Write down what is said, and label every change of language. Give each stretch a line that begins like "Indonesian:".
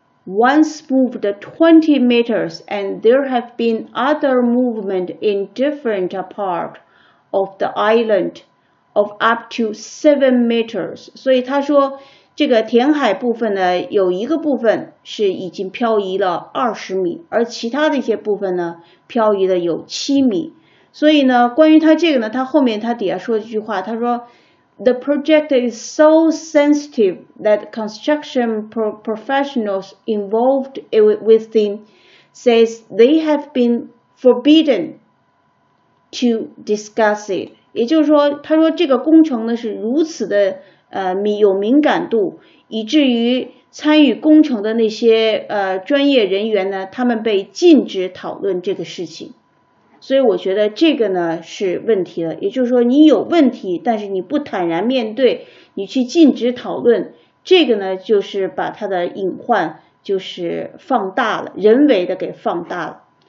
English: Once moved 20 meters and there have been other movement in different part of the island of up to 7 meters.
Chinese: 所以他说这个填海部分呢，有一个部分是已经漂移了20米，而其他的一些部分呢漂移了有7米。所以呢，关于他这个呢，他后面他底下说一句话，他说
English: The project is so sensitive that construction professionals involved within says they have been forbidden to discuss it.
Chinese: 也就是说，他说这个工程呢是如此的有敏感度，以至于参与工程的那些专业人员呢，他们被禁止讨论这个事情。所以我觉得这个呢是问题了，也就是说你有问题，但是你不坦然面对，你去禁止讨论，这个呢就是把它的隐患就是放大了，人为的给放大了。